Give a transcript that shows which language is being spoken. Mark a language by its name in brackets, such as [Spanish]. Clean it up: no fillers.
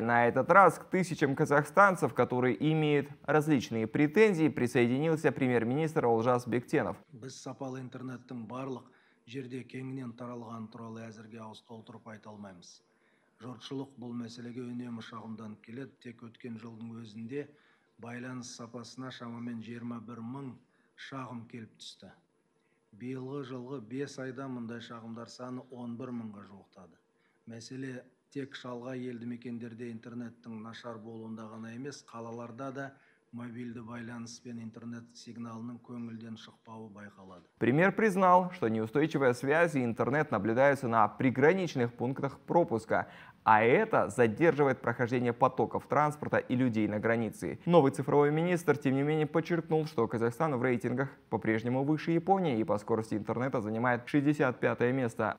[Russian] На этот раз к тысячам казахстанцев, которые имеют различные претензии, присоединился премьер-министр Олжас Бектенов. [Kazakh] Байланыс сапасына шамамен 21 мың шағым келіп түсті. Биылғы жылғы 5 айда мұндай шағымдар саны 11 мыңға жуықтады. Мәселе тек шалға елді мекендерде интернеттің нашар болуында ғана емес, қалаларда да мобильді байланыс пен интернет сигналының көңілден шықпауы байқалады. [Russian] Премьер признал, что неустойчивая связь и интернет наблюдаются на приграничных пунктах пропуска. А это задерживает прохождение потоков транспорта и людей на границе. Новый цифровой министр, тем не менее, подчеркнул, что Казахстан в рейтингах по-прежнему выше Японии и по скорости интернета занимает 65-е место.